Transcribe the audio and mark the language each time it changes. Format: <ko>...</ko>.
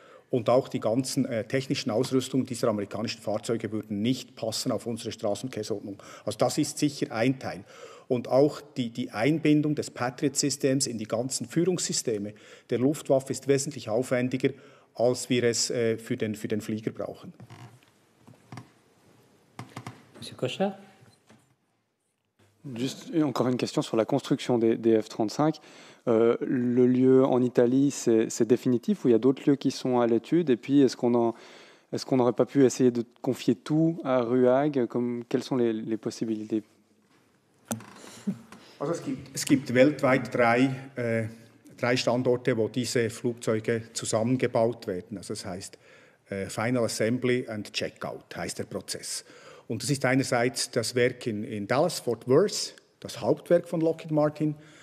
<de>Und auch die ganzen technischen Ausrüstungen dieser amerikanischen Fahrzeuge würden nicht passen auf unsere Straßenverkehrsordnung. Also das ist sicher ein Teil. Und auch die Einbindung des Patriot-Systems in die ganzen Führungssysteme der Luftwaffe ist wesentlich aufwendiger, als wir es für den Flieger brauchen.</de> <fr>Monsieur Cochard. Juste encore une question sur la construction des F-35. Le lieu en Italie, c'est définitif ou il y a d'autres lieux qui sont à l'étude? Et puis, est-ce qu'on n'aurait pas pu essayer de confier tout à Ruag? Quelles sont les possibilités?</fr> <de>Also, es gibt weltweit drei Standorte, wo diese Flugzeuge zusammengebaut werden. Also, das heißt Final Assembly and Checkout, heißt der Prozess. Und das ist einerseits das Werk in Dallas, Fort Worth, das Hauptwerk von Lockheed Martin.</de>